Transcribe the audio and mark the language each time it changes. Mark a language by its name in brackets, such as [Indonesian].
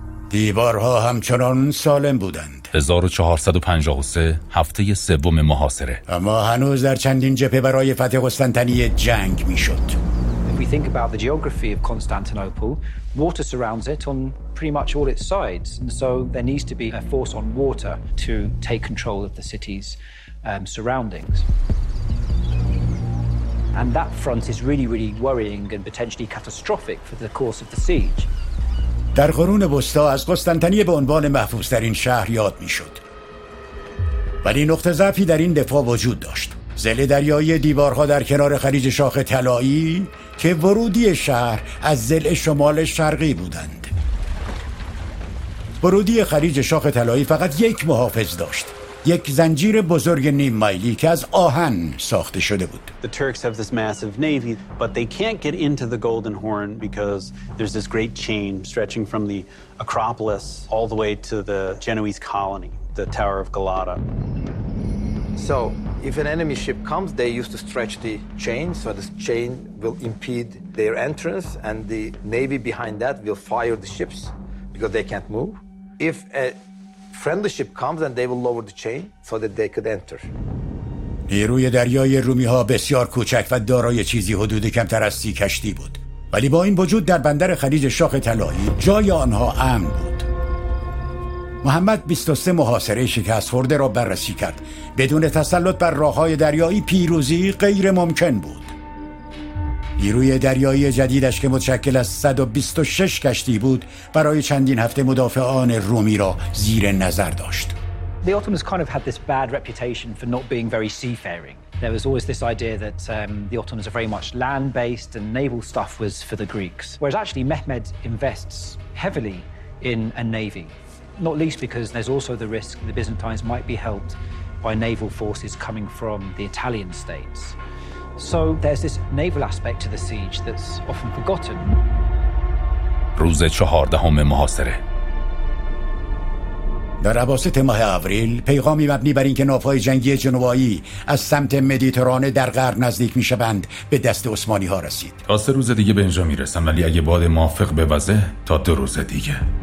[Persian] دیوارها همچنان سالم بودند. 1453 هفته سوم محاصره. اما هنوز در چندین جبهه برای فتح قسطنطنیه جنگ میشد. [English] If we think about the geography of Constantinople, water surrounds it on pretty much all its sides, and so there needs to be a force on water to take control of the city's surroundings. And that front is really, really worrying and potentially catastrophic for the course of the siege. [Persian] در قرون وسطا از قسطنطنیه به عنوان محفوظترین شهر یاد می شد. ولی نقطه ضعفی در این دفاع وجود داشت. زل دریایی دیوارها در کنار خلیج شاخ طلایی که ورودی شهر از زل شمال شرقی بودند. ورودی خلیج شاخ طلایی فقط یک محافظ داشت. یک زنجیر بزرگ نیم مایلی که از آهن ساخته شده بود. [English] The Turks have this massive navy, but they can't get into the Golden Horn because there's this great chain stretching from the Acropolis all the way to the Genoese colony, the Tower of Galata. So, if an enemy ship comes, they used to stretch the chain, so the chain will impede their entrance and the navy behind that will fire the ships because they can't move. If a friendly ship comes and they will lower the chain so that they could enter. [Persian] نیروی دریایی رومی ها بسیار کوچک و دارای چیزی حدود کمتر از 30 کشتی بود. ولی با این وجود در بندر خلیج شاخ طلایی جای آنها امن بود. محمد 23 محاصره شکست خورده را بررسی کرد. بدون تسلط بر راه های دریایی پیروزی غیر ممکن بود. نیروی دریایی جدیدش که متشکل از 126 کشتی بود برای چندین هفته مدافعان رومی را زیر نظر داشت. [English] The Ottomans kind of had this bad reputation for not being very seafaring. There was always this idea that the Ottomans are very much land-based and naval stuff was for the Greeks. Whereas actually Mehmed invests heavily in a navy, not least because there's also the risk the Byzantines might be helped by naval forces coming from the Italian states. So there's this naval aspect to the siege that's often forgotten. [Persian] روز 14 محاصره. در اواسط ماه آوریل پیغامی مبنی بر اینکه ناوهای جنگی جنوایی از سمت مدیترانه در غرب نزدیک میشوند به دست عثمانی ها رسید. تا 3 روز دیگه به اینجا میرسن، ولی اگه باد موافق بوزه تا 2 روز دیگه.